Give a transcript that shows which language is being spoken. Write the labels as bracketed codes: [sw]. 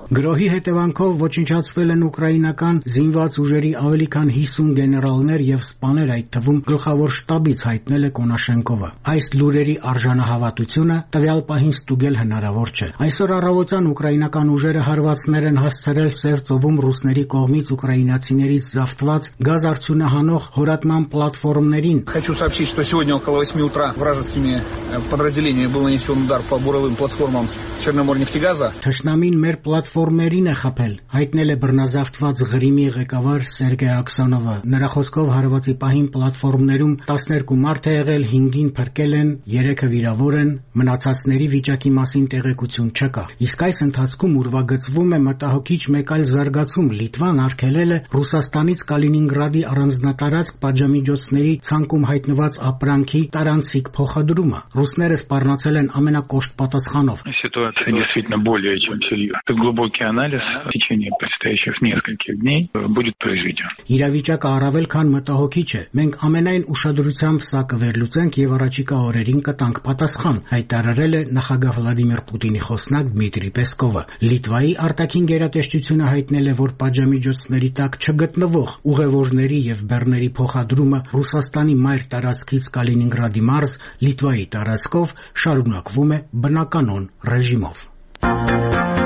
[hy] Գրոհի հետևանքով ոչնչացվել են ուկրաինական զինված ուժերի ավելի քան 50 գեներալներ եւ սպաներ, այդ թվում գլխավոր շտաբից հայտնել է Կոնաշենկովը։ Այս լուրերի արժանահավատությունը տվյալ պահին ստուգել հնարավոր չէ։ Այսօր առավոտյան ուկրաինական ուժերը հարվածներ են հասցրել Սերծովում ռուսների կողմից ուկրաինացիներից զավթված գազ արդյունահանող հորատման պլատֆորմներին։ [ru] Хочу сообщить, что сегодня около 8 утра вражескими подразделениями был нанесён удар по буровым платформам Черноморнефтегаза. [hy] Թշնամին մեր պլատֆորմերին է խփել, հայտնել է բռնազավթված Ղրիմի ղեկավար Սերգեյ Աքսանովը։ Նրա խոսքով հարվածի պահին պլատֆորմներում 12 մարդ է եղել, 5-ին փրկել են, 3-ը վիրավոր են, մնացածների վիճակի մասին տեղեկություն չկա։ Իսկ այս ընթացքում ուրվագծվում է մտահոգիչ մեկ այլ զարգացում։ Լիտվան արգելել է Ռուսաստանից Կալինինգրադի առանձնատարածք պատժամիջոցների ցանկում հայտնված ապրանքի տարանցիկ փոխադրումը։ Ռուսները սպառնացել են ամենակոշտ պատասխանով։ [ru] Ситуация действительно более чем серьёзная. Это глубокий анализ в течение предстоящих нескольких дней будет произведён. [hy] Իրավիճակը առավել քան մտահոգիչ է։ Մենք ամենայն ուշադրությամբ սա կվերլուծենք եւ առաջիկա օրերին կտանք պատասխան, հայտարարել է նախագահ Վլադիմիր Պուտինի խոսնակ Դմիտրի Պեսկովը։ Լիտվայի արտաքին գերատեսչությունը հայտնել է, որ պատժամիջոցների տակ չգտնվող ուղևորների եւ բեռների փոխադրումը Ռուսաստանի մայր տարածքից Կալինինգրադի մարզ Լիտվայի տարածքով շարունակվում է բնականոն ռեժիմով։